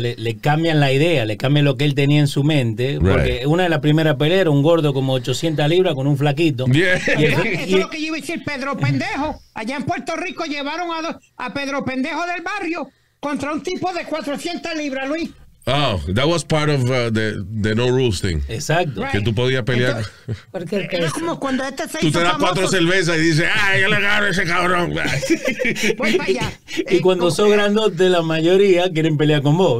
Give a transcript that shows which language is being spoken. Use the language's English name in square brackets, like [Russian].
[Spanish] Le cambian la idea, le cambian lo que él tenía en su mente. Porque una de las primeras peleas era un gordo como 800 libras con un flaquito. Eso es lo que yo iba a decir, Pedro Pendejo. Allá en Puerto Rico llevaron a Pedro Pendejo del barrio contra un tipo de 400 libras, Luis. [English] Oh, that was part of the no rules thing. [Spanish] Exacto. Que tú podías pelear. Porque es como cuando este se hizo famoso. Tú te das cuatro cervezas y dices, ¡ay, yo le agarro a ese cabrón! Pues vaya. Y cuando sos grandote, la mayoría quieren pelear con vos.